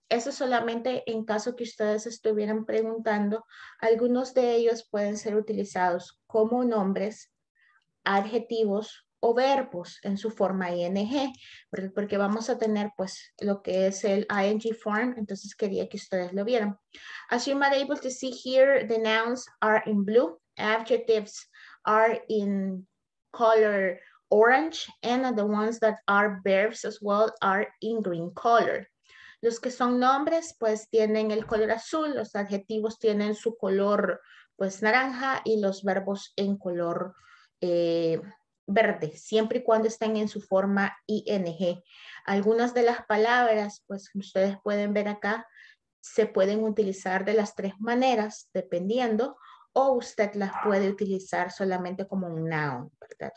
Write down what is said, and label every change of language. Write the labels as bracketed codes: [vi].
[es] Eso solamente en caso que ustedes estuvieran preguntando, algunos de ellos pueden ser utilizados como nombres, adjetivos, o verbos en su forma ing, porque vamos a tener pues lo que es el ing form, entonces quería que ustedes lo vieran. [en] As you might be able to see here, the nouns are in blue, adjectives are in color orange, and the ones that are verbs as well are in green color. [es] Los que son nombres pues tienen el color azul, los adjetivos tienen su color pues naranja y los verbos en color verde, siempre y cuando estén en su forma ing. Algunas de las palabras, pues ustedes pueden ver acá, se pueden utilizar de las tres maneras, dependiendo, o usted las puede utilizar solamente como un noun, ¿verdad?